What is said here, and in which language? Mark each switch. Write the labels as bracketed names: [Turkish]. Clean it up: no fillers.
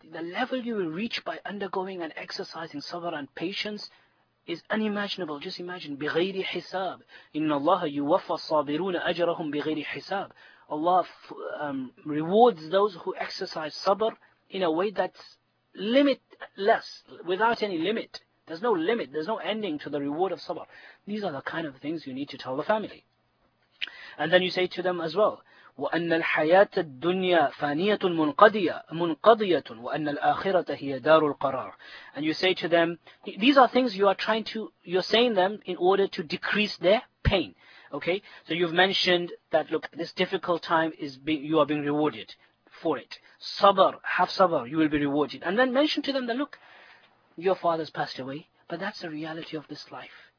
[English] The level you will reach by undergoing and exercising sabr and patience is unimaginable. Just imagine, [Arabic] بِغَيْرِ حِسَابِ إِنَّ اللَّهَ يُوَفَّى الصَّابِرُونَ أَجْرَهُمْ بِغَيْرِ حِسَابِ. [English] Allah rewards those who exercise sabr in a way that's limitless, without any limit. There's no limit, there's no ending to the reward of sabr. These are the kind of things you need to tell the family. And then you say to them as well, [Arabic] وَأَنَّ الْحَيَاةَ الدُّنْيَا فَانِيَةٌ مُنْقَضِيَةٌ وَأَنَّ الْآخِرَةَ هِيَ دَارُ الْقَرَارِ. [English] And you say to them, these are things you're saying them in order to decrease their pain. Okay, so you've mentioned that, look, this difficult time you are being rewarded for it. Sabr, have sabr, you will be rewarded. And then mention to them that, look, your father's passed away, but that's the reality of this life.